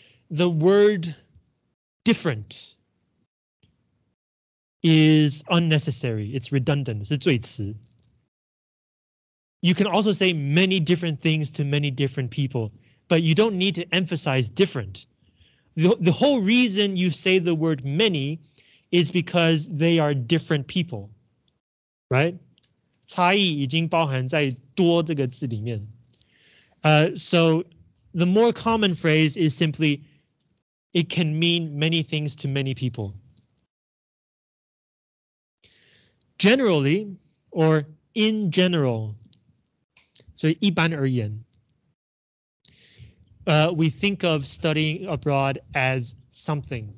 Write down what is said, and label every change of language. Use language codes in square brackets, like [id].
[en] The word different is unnecessary. It's redundant. [zh] 是最词。 [en] You can also say many different things to many different people, but you don't need to emphasize different. The whole reason you say the word many is because they are different people, right? [zh] 差异已经包含在多这个字里面。 [en] So the more common phrase is simply, it can mean many things to many people. Generally, or in general, [zh] 所以一般而言、 [en] we think of studying abroad as something.